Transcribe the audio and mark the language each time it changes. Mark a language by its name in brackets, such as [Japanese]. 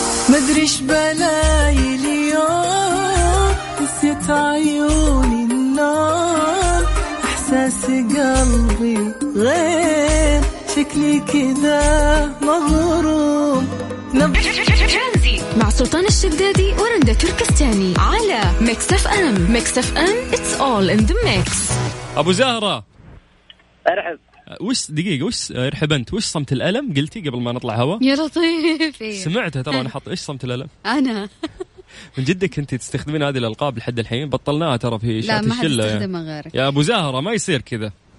[Arabic] مدريش بلاي اليوم تسيت عيوني النار، احساس قلبي غير شكلي كذا مغروم. ترانزيت مع سلطان الشدادي ورندا تركستاني على ميكس اف ام. [English] Mix FM it's all in the mix. [Arabic] ابو زهرة ارحب. وش دقيقة وش ارحب انت، وش صمت الالم قلتي قبل ما نطلع هوا؟ يا لطيف سمعتها ترى. انا حط ايش صمت الالم انا. من جدك انت تستخدمين هذه الالقاب لحد الحين؟ بطلناها ترى في شات الشلة. لا ما هتستخدمها غيرك يا ابو زهرة، ما يصير كذا.